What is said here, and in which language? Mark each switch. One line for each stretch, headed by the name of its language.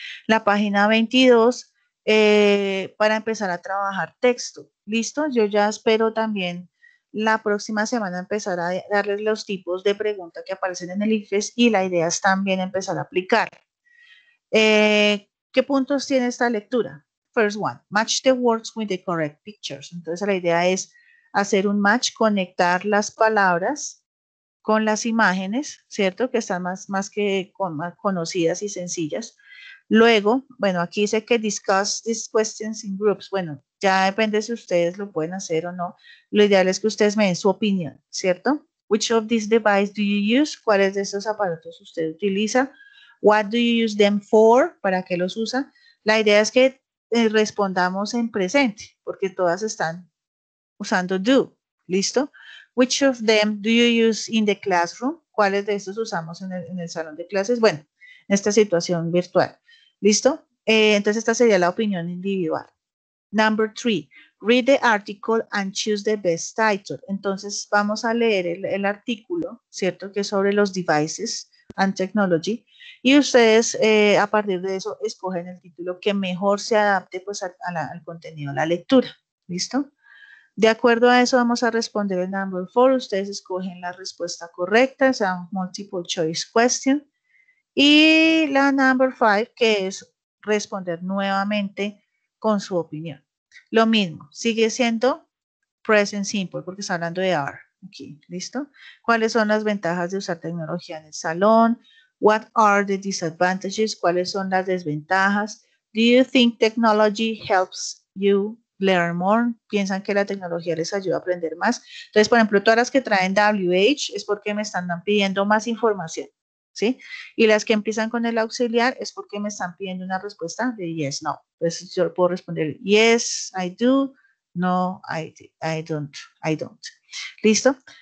Spanish: La página 22, para empezar a trabajar texto. ¿Listo? Yo ya espero también la próxima semana empezar a darles los tipos de preguntas que aparecen en el IFES, y la idea es también empezar a aplicar. ¿Qué puntos tiene esta lectura?
English: First one, match the words with the correct pictures.
Spanish: Entonces la idea es hacer un match, conectar las palabras con las imágenes, ¿cierto? Que están más que más conocidas y sencillas. Luego, bueno, aquí dice que
English: discuss these questions in groups.
Spanish: Bueno, ya depende si ustedes lo pueden hacer o no. Lo ideal es que ustedes me den su opinión, ¿cierto?
English: Which of these devices do you use?
Spanish: ¿Cuáles de esos aparatos usted utiliza?
English: What do you use them for?
Spanish: ¿Para qué los usa? La idea es que respondamos en presente, porque todas están usando do. ¿Listo?
English: Which of them do you use in the classroom?
Spanish: ¿Cuáles de estos usamos en el salón de clases? Bueno, en esta situación virtual. ¿Listo? Entonces esta sería la opinión individual.
English: Number three, read the article and choose the best title.
Spanish: Entonces vamos a leer el artículo, ¿cierto? Que es sobre los
English: devices and technology.
Spanish: Y ustedes, a partir de eso, escogen el título que mejor se adapte, pues, al contenido, a la lectura. ¿Listo? De acuerdo a eso, vamos a responder el number four. Ustedes escogen la respuesta correcta, o sea,
English: multiple choice question.
Spanish: Y la number five, que es responder nuevamente con su opinión. Lo mismo, sigue siendo present simple, porque está hablando de are. Aquí, ¿listo? ¿Cuáles son las ventajas de usar tecnología en el salón?
English: What are the disadvantages?
Spanish: ¿Cuáles son las desventajas?
English: Do you think technology helps you learn more?
Spanish: ¿Piensan que la tecnología les ayuda a aprender más? Entonces, por ejemplo, todas las que traen WH es porque me están pidiendo más información, ¿sí? Y las que empiezan con el auxiliar es porque me están pidiendo una respuesta de yes, no. Entonces, yo puedo responder
English: yes, I do. No, I don't.
Spanish: ¿Listo?